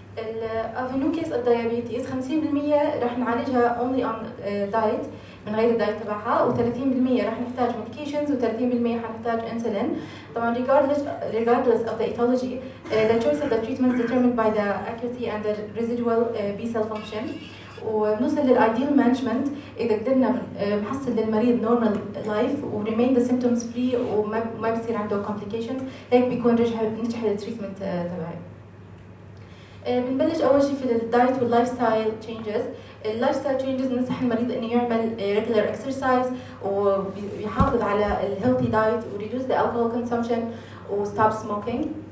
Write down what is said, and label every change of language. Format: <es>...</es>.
<ar>الأفينوكيس الديابيتيز 50% راح نعالجها</ar> <en>only on diet</en> <ar>من غير الدايت تبعها و 30% راح نحتاج medications و 30% حنحتاج insulin.</ar> <en>طبعا regardless of the etiology the choice of the treatment is determined by the accuracy and the residual B cell function.</en> <ar>ونوصل للideal management إذا قدرنا نحصل للمريض normal life و</ar> <en>remain the symptoms free</en> <ar>وما بيصير عنده complications هيك بيكون نجح للتريتمنت تبعي. بنبلش أول شيء في الدايت واللايفستايل تشينجز. اللايفستايل تشينجز ننصح المريض إنه يعمل regular exercise ويحافظ على الهيلثي دايت و</ar> <en>reduce the alcohol consumption</en> <ar>و</ar> <en>stop smoking.</en>